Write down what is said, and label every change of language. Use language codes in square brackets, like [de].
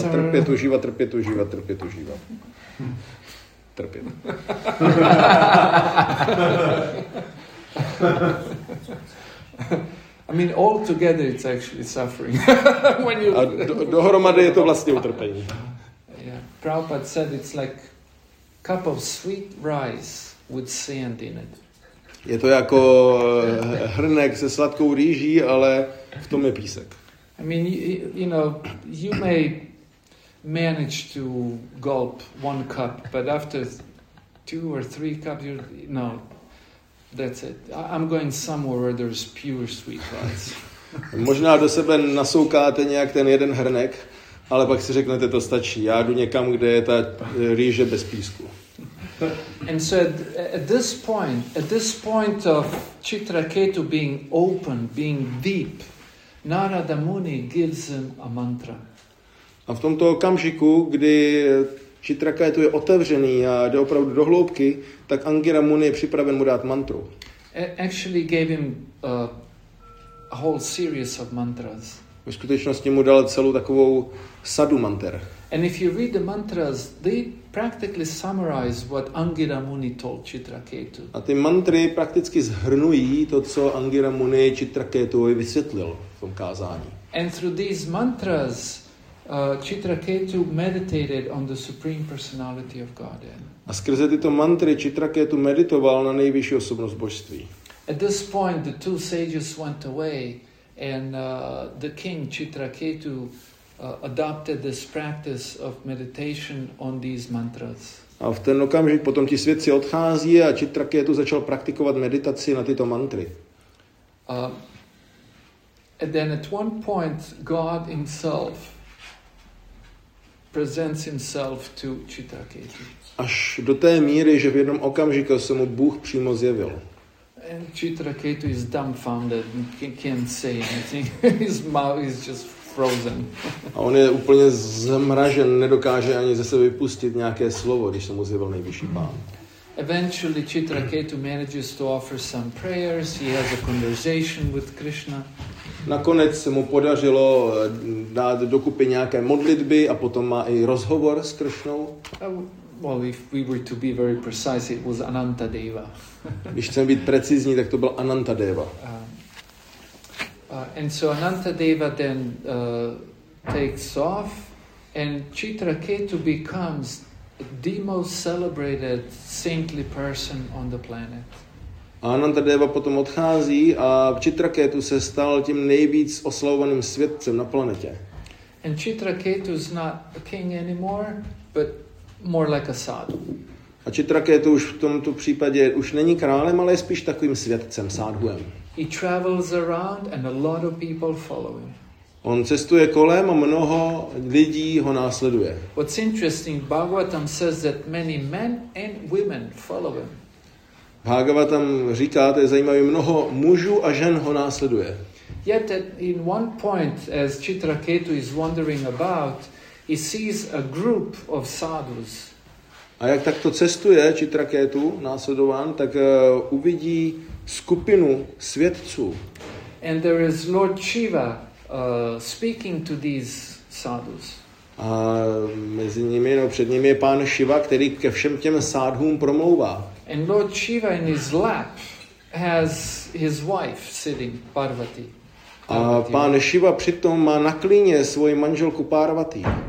[cs] a trpět, užívat, trpět, užívat, trpět, užívat. Trpět. [en] I mean, all together it's actually suffering. When you... [cs] A dohromady je to vlastně utrpení. [en] Yeah. Prabhupada said it's like cup of sweet rice with sand in it. [cs] Je to jako hrnek se sladkou rýží, ale v tom je písek. [en] I mean, you know, you may manage to gulp one cup, but after two or three cups, no, that's it. I'm going somewhere where there's pure sweet rice. [cs] Možná do sebe nasoukáte nějak ten jeden hrnek, ale pak si řeknete, to stačí. Já jdu někam, kde je ta rýže bez písku. [en] And so at this point of Chitraketu being open, being deep, Narada Muni gives him a mantra. [cs] A v tomto okamžiku, kdy Chitraketu je otevřený a jde opravdu do hloubky, tak Angira Muni je připraven mu dát mantru. [en] Actually gave him a whole series of mantras. [cs] Ve skutečnosti mu dal celou takovou sadu mantr. [en] And if you read the mantras, they practically summarize what Angira Muni told Chitraketu. [cs] A ty mantry prakticky zhrnují to, co Angira Muni Chitraketovi vysvětlil v tom kázání. [en] And through these mantras, Chitraketu meditated on the Supreme Personality of Godhead. [cs] A skrze tyto mantry Chitraketu meditoval na nejvyšší osobnost božství. [en] At this point, the two sages went away and the king Chitraketu adopted this practice of meditation on these mantras. [cs] A v ten okamžik potom ti svědci odchází a Chitraketu začal praktikovat meditaci na tyto mantry. [en] And then at one point God himself presents himself to Chitraketu. [cs] Až do té míry, že v jednom okamžiku se mu Bůh přímo zjevil. [en] And Chitraketu is dumbfounded, he can't say anything. His mouth is just frozen. [cs] A on je úplně zmražen, nedokáže ani ze sebe vypustit nějaké slovo, když se mu zjevil nejvyšší pán. [en] Eventually, Chitraketu manages to offer some prayers. He has a conversation with Krishna. [cs] Nakonec se mu podařilo dát dokupy nějaké modlitby a potom má i rozhovor s Krishnou. [en] Well, if we were to be very precise, it was Ananta Deva. [cs] Když chceme být precizní, tak to byl Ananta Deva. [en] And so Ananta Deva then takes off, and Chitraketu becomes the most celebrated saintly person on the planet. [cs] Ananta Deva potom odchází a Chitraketu se stal tím nejvíc oslavovaným světcem na planetě. [en] And Chitraketu is not a king anymore, but more like a sadhu. [cs] A Chitraketu už v tomto případě už není králem, ale je spíš takovým světcem, sádhuem. [en] He travels around and a lot of people follow him. [cs] On cestuje kolem a mnoho lidí ho následuje. [en] What's interesting, Bhagavatam says that many men and women follow him. [cs] Bhagavatam říká, to je zajímavé, mnoho mužů a žen ho následuje. [en] Yet at in one point, as Chitraketu is wandering about, he sees a group of sadhus. [cs] A jak takto cestuje Chitraketu následován, tak uvidí skupinu světců. [en] And there is Lord Shiva speaking to these sadhus. [cs] A mezi nimi, no před nimi je pán Shiva, který ke všem těm sadhům promlouvá. [en] And Lord Shiva in his lap has his wife sitting, Parvati. [cs] A pán Shiva přitom má na klíně svoji manželku Parvati.